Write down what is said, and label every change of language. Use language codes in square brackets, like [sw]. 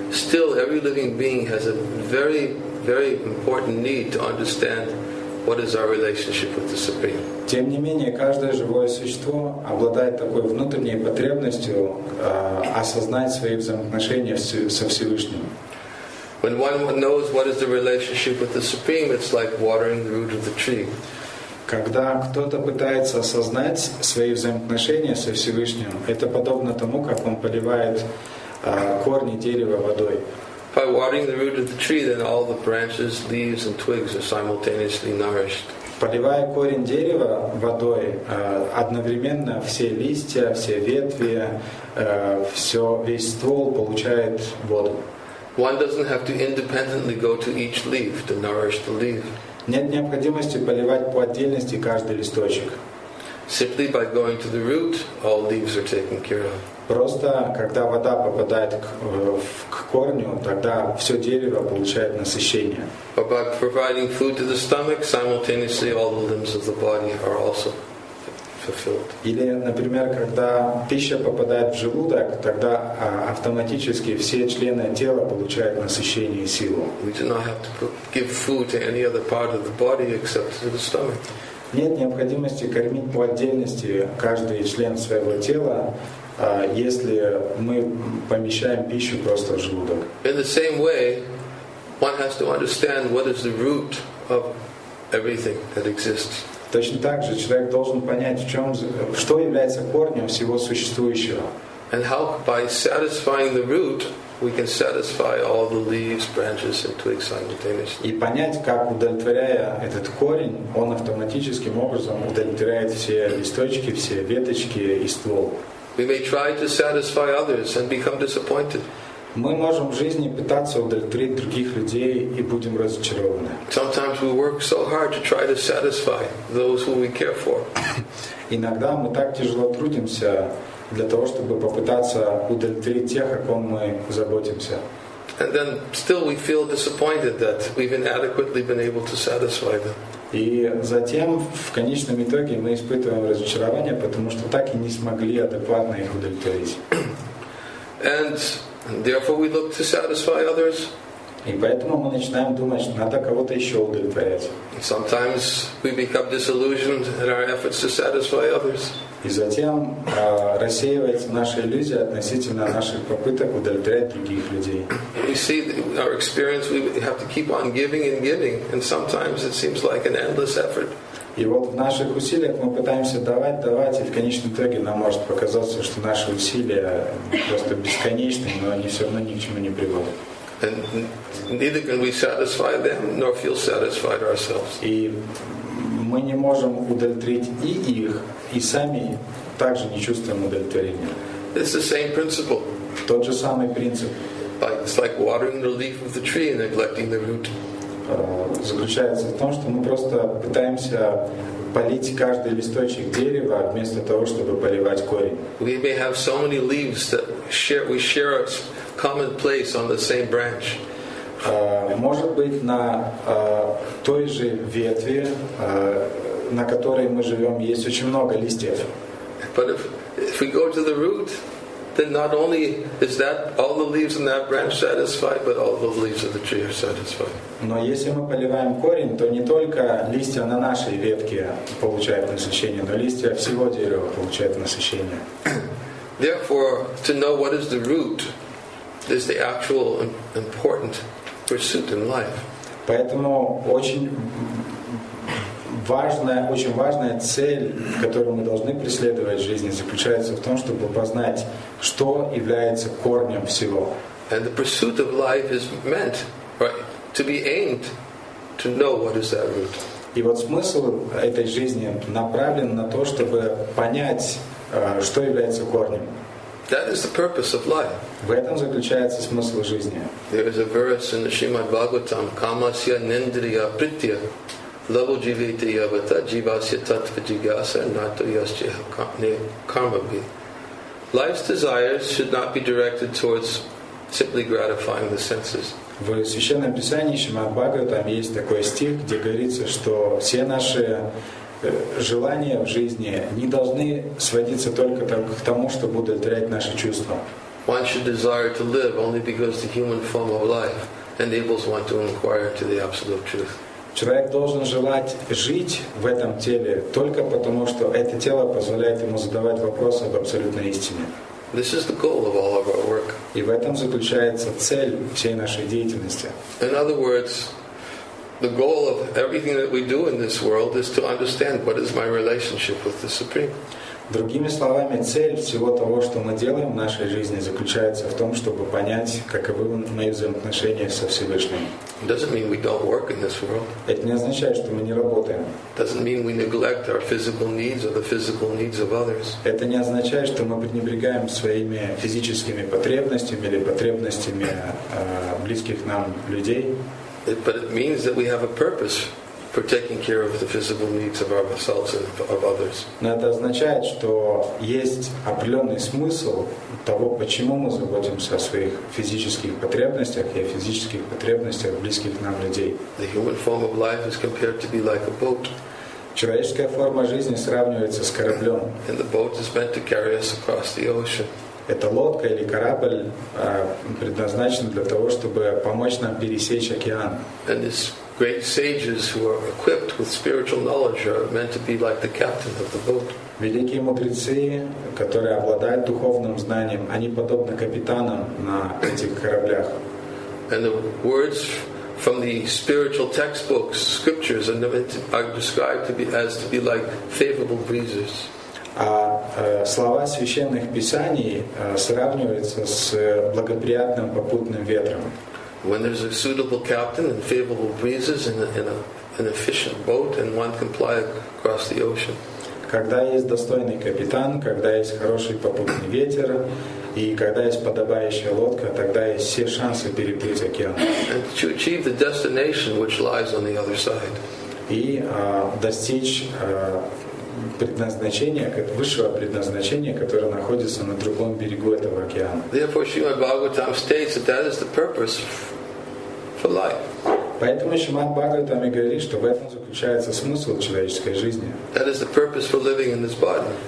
[en] Still every living being has a very very important need to understand what is our relationship with the Supreme. [ru] Тем не менее, каждое живое существо обладает такой внутренней потребностью осознать свои взаимоотношения со Всевышним. [en] When one knows what is the relationship with the Supreme, it's like watering the root of the tree. [ru] Когда кто-то пытается осознать свои взаимоотношения со Всевышним, это подобно тому, как он поливает корни дерева водой. [en] By watering the root of the tree, then all the branches, leaves, and twigs are simultaneously nourished. [ru] Поливая корень дерева водой, одновременно все листья, все ветви, все весь ствол получает воду. [en] One doesn't have to independently go to each leaf to nourish the leaf. [ru] Нет необходимости поливать по отдельности каждый листочек. [en] Simply by going to the root, all leaves are taken care of. [ru] Просто, когда вода попадает к корню, тогда все дерево получает насыщение. [en] By providing food to the stomach, simultaneously all the limbs of the body are also fulfilled. [ru] Или, например, когда пища попадает в желудок, тогда автоматически все члены тела получают насыщение и силу. [en] We do not have to give food to any other part of the body except to the stomach. [ru] Нет необходимости кормить по отдельности каждый член своего тела, если мы помещаем пищу просто в желудок. [en] In the same way, one has to understand what is the root of everything that exists. [ru] Точно так же человек должен понять, что является корнем всего существующего. [en] And how by satisfying the root, we can satisfy all the leaves, branches, and twigs simultaneously. [ru] И понять, как удовлетворяя этот корень, он автоматическим образом удовлетворяет все листочки, все веточки и ствол. [en] We may try to satisfy others and become disappointed. [ru] Мы можем в жизни пытаться удовлетворить других людей и будем разочарованы. [en] Sometimes we work so hard to try to satisfy those who we care for. [ru] Иногда мы так тяжело трудимся для того, чтобы попытаться удовлетворить тех, о ком мы заботимся. [en] And then still we feel disappointed that we've inadequately been able to satisfy them. [ru] И затем в конечном итоге мы испытываем разочарование, потому что так и не смогли адекватно их удовлетворить. [en] And therefore we look to satisfy others. [ru] И поэтому мы начинаем думать, надо кого-то еще удовлетворять. [en] Sometimes we become disillusioned in our efforts to satisfy others. [ru] И затем рассеивается наша иллюзия относительно наших попыток удовлетворять других людей. [en] We see our experience. We have to keep on giving and giving, and sometimes it seems like an endless effort. [ru] И вот в наших усилиях мы пытаемся давать, давать, и в конечном итоге нам может показаться, что наши усилия просто бесконечны, но они все равно ни к чему не приводят. [en] And neither can we satisfy them nor feel satisfied ourselves. [ru] И мы не можем удовлетворить и их, и сами также не чувствуем удовлетворения. [en] It's the same principle. [ru] Тот же самый принцип. [en] It's like watering the leaf of the tree and neglecting the root. [ru] Заключается в том, что мы просто пытаемся полить каждый листочек дерева вместо того, чтобы поливать корень. [en] We may have so many leaves that we share a common place on the same branch. [ru] Может быть, на той же ветви на которой мы живем, есть очень много листьев. [en] But if we go to the root, then not only is that all the leaves in that branch satisfied, but all the leaves of the tree are satisfied. [ru] Но если мы поливаем корень, то не только листья на нашей ветке получают насыщение, но листья всего дерева получают насыщение. [en] Therefore, to know what is the root is the actual important pursuit in life. [ru] Поэтому очень важная цель, которую мы должны преследовать в жизни, заключается в том, чтобы познать, что является корнем всего. [en] And the pursuit of life is meant, right, to be aimed to know what is that root. [ru] И вот смысл этой жизни направлен на то, чтобы понять, что является корнем. [en] That is the purpose of life. [ru] В этом заключается смысл жизни. [en] There is a verse in the Srimad Bhagavatam, [sa] Kamasya Nindriya Pritya. [en] Life's desires should not be directed towards simply gratifying the senses. [ru] В священном писании Шримад Бхагаватам есть такой стих, где говорится, что все наши желания в жизни не должны сводиться только к тому, чтобы удовлетворять наши чувства. [en] One should desire to live only because the human form of life enables one to inquire into the absolute truth. [ru] Человек должен желать жить в этом теле только потому, что это тело позволяет ему задавать вопросы об абсолютной истине. [en] This is the goal of all of our work. [ru] И в этом заключается цель всей нашей деятельности. [en] In other words, the goal of everything that we do in this world is to understand what is my relationship with the Supreme. [ru] Другими словами, цель всего того, что мы делаем в нашей жизни, заключается в том, чтобы понять, каковы мои взаимоотношения со Всевышним. [en] Doesn't mean we don't work in this world. [ru] Это не означает, что мы не работаем. [en] Doesn't mean we neglect our physical needs or the physical needs of others. [ru] Это не означает, что мы пренебрегаем своими физическими потребностями или потребностями близких нам людей. [en] But it means that we have a purpose for taking care of the physical needs of ourselves and of others. [ru] Но это означает, что есть определенный смысл того, почему мы заботимся о своих физических потребностях и о физических потребностях близких нам людей. [en] The human form of life is compared to be like a boat. [ru] Человеческая форма жизни сравнивается с кораблем. [en] And the boat is meant to carry us across the ocean. [ru] Эта лодка или корабль предназначена для того, чтобы помочь нам пересечь океан. [en] And these great sages who are equipped with spiritual knowledge are meant to be like the captain of the boat. [ru] Великие мудрецы, которые обладают духовным знанием, они подобны капитанам на этих кораблях. [en] And the words from the spiritual textbooks, scriptures, are described to be like favorable breezes. [ru] А слова священных писаний сравниваются с благоприятным попутным ветром. [en] When there's a suitable captain and favorable breezes in an efficient boat, and one can ply across the ocean. [ru] Когда есть достойный капитан, когда есть хороший попутный ветер, и когда есть подобающая лодка, тогда есть все шансы переплыть океан. [en] And to achieve the destination which lies on the other side. [ru] И достичь предназначения, высшего предназначения, которое находится на другом берегу этого океана. [en] Therefore, Srimad Bhagavatam states that is the purpose for life. [ru] Поэтому Шримад Бхагаватам и говорит, что в этом заключается смысл человеческой жизни. [en] That is the purpose for living in this body.